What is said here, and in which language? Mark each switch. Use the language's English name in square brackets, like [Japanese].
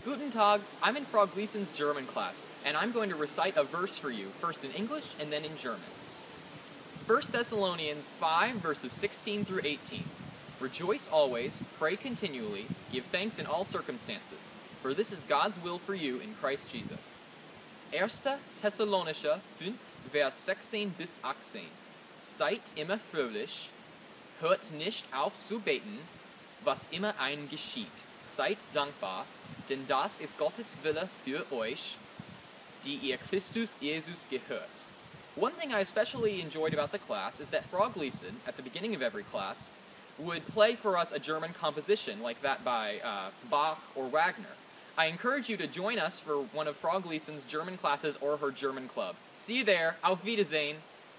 [English] Tag, I'm in Frau Gleason's German class, and I'm going to recite a verse for you, first in English and then in German. 1 Thessalonians 5, verses 16 through 18. Rejoice always, pray continually, give thanks in all circumstances, for this is God's will for you in Christ Jesus. [German] 1 Thessalonische 5, vers 16 bis 18. Seid immer fröhlich, hört nicht auf zu beten, was immer ein geschieht. Seid dankbar, denn das ist Gottes Wille für euch, die ihr Christus Jesus gehört. [English] One thing I especially enjoyed about the class is that Frau Gleason, at the beginning of every class, would play for us a German composition, like that by Bach or Wagner. I encourage you to join us for one of Frau Gleason's German classes or her German club. See you there. [German] Auf Wiedersehen.